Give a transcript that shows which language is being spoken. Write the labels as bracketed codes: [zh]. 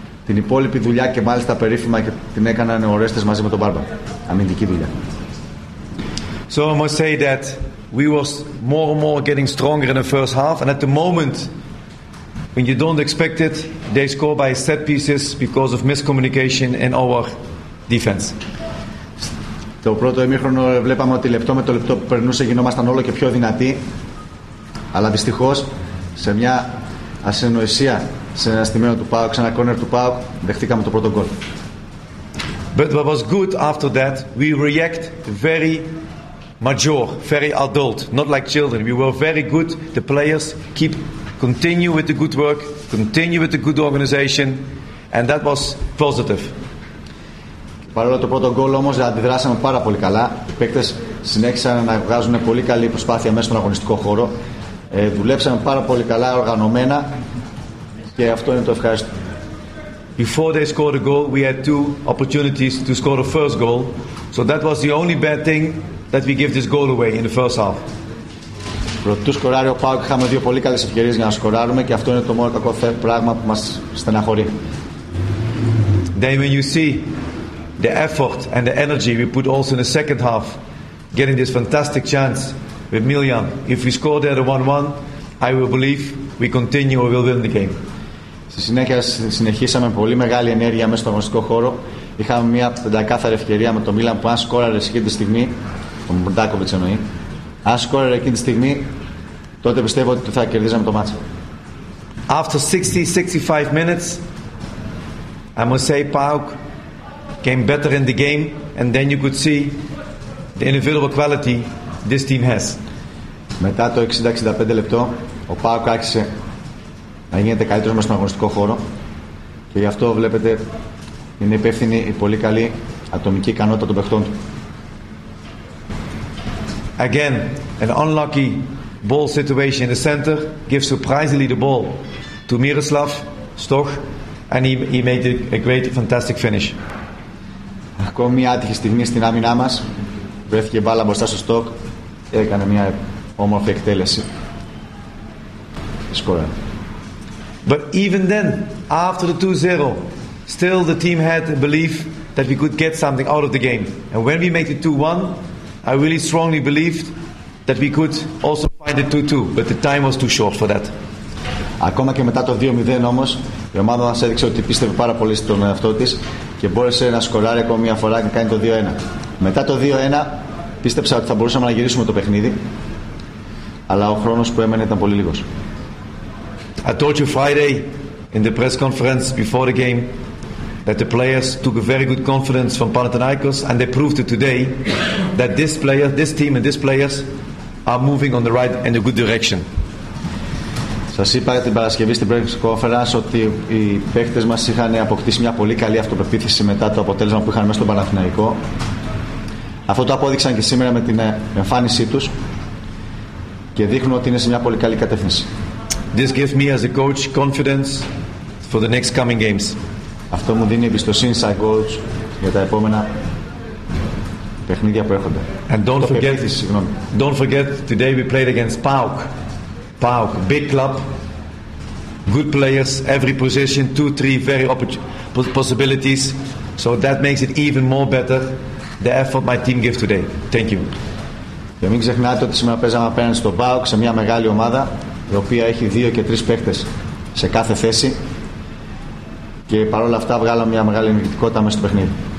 [el] Την υπόλοιπη δουλειά και μάλιστα περίφημα και την έκαναν ο Ρέστες μαζί με τον Μπάρμπα. Αμυντική δουλειά. [en] So I must say that we was more and more getting stronger in the first half, and at the moment when you don't expect it, they score by set pieces because of miscommunication in our defense. [el] Το πρώτο ημίχρονο βλέπαμε ότι λεπτό με το λεπτό που περνούσε γινόμασταν όλο και πιο δυνατοί. Αλλά δυστυχώς σε μια ασυνοησία σε ένα στημένο του ΠΑΟΚ, σε ένα corner του ΠΑΟΚ, δεχτήκαμε το πρώτο γκολ. [en] But what was good after that, we react very mature, very adult, not like children. We were very good, the players keep continue with the good work, continue with the good organization, and that was positive. [el] Παρόλο το πρώτο γκολ όμως αντιδράσαμε πάρα πολύ καλά. Οι παίκτες συνέχισαν να βγάζουν πολύ καλή προσπάθεια μέσα στον αγωνιστικό χώρο. Δουλέψαμε πάρα πολύ καλά, οργανωμένα και αυτό είναι το ευχάριστο. [en] Before they scored a goal, we had two opportunities to score a first goal. So that was the only bad thing that we gave this goal away in the first half. [el] Προτού σκοράρει ο ΠΑΟΚ, είχαμε δύο πολύ καλές ευκαιρίες για να σκοράρουμε και αυτό είναι το μόνο κακό πράγμα που μας στεναχωρεί. [en] Then when you see the effort and the energy we put also in the second half, getting this fantastic chance with Milian. If we score there the 1-1, I will believe we continue or we'll win the game. [el] Στη συνέχεια συνεχίσαμε πολύ μεγάλη ενέργεια μέσα στο αγωνιστικό χώρο. Είχαμε μια πεντακάθαρη ευκαιρία με το Μίλαν που αν σκόραρε εκείνη τη στιγμή, ο Μπρντάκοβιτς εννοεί, αν σκόραρε εκείνη τη στιγμή, τότε πιστεύω ότι θα κερδίζαμε το μάτσο. [en] After 60-65 minutes, I must say Pauk came better in the game and then you could see the individual quality this team has. [el] Μετά το 60-65 λεπτό, ο Πάουκ άρχισε να γίνεται καλύτερος μέσα στον αγωνιστικό χώρο και γι' αυτό βλέπετε είναι υπεύθυνη η πολύ καλή ατομική ικανότητα των παιχτών του. [en] Again, an unlucky ball situation in the center gives surprisingly the ball to Miroslav Stoch and he made a great, fantastic finish. [el] Ακόμη μια άτυχη στιγμή στην άμυνά μας. Βρέθηκε μπάλα μπροστά στο στόκ και έκανε μια όμορφη εκτέλεση. Σκόρα. [en] But even then, after the 2-0, still the team had a belief that we could get something out of the game. And when we made it 2-1, I really strongly believed that we could also find it 2-2, but the time was too short for that. [el] Ακόμα και μετά το 2-0 όμως, η ομάδα μας έδειξε ότι πίστευε πάρα πολύ στον εαυτό της και μπόρεσε να σκοράρει ακόμα μια φορά και κάνει το 2-1. Μετά το 2-1, πίστεψα ότι θα μπορούσαμε να γυρίσουμε το παιχνίδι, αλλά ο χρόνος που έμενε ήταν πολύ λίγος. [en] I told you Friday in the press conference before the game that the players took a very good confidence from Panathinaikos and they proved it today that this player, this team and these players are moving on the right and a good direction. [el] Σας είπα την Παρασκευή στην [en] press conference [el] ότι οι παίκτες μας είχαν αποκτήσει μια πολύ καλή αυτοπεποίθηση μετά το αποτέλεσμα που είχαν μέσα στον Παναθηναϊκό. Αυτό το απόδειξαν και σήμερα με την εμφάνισή τους και δείχνουν ότι είναι σε μια πολύ καλή κατεύθυνση. [en] This gives me as a coach confidence for the next coming games. [el] Αυτό μου δίνει εμπιστοσύνη σαν coach για τα επόμενα παιχνίδια που έρχονται. [en] And don't forget today we played against PAOK. PAOK, big club, good players, every position, 2-3 very possibilities. So that makes it even more better the effort my team gave today. Thank you. [el] Και μην ξεχνάτε ότι σήμερα παίζαμε απέναντι στο PAOK σε μια μεγάλη ομάδα η οποία έχει 2 και 3 παίκτες σε κάθε θέση και παρόλα αυτά βγάλαμε μια μεγάλη ενεργητικότητα μέσα στο παιχνίδι.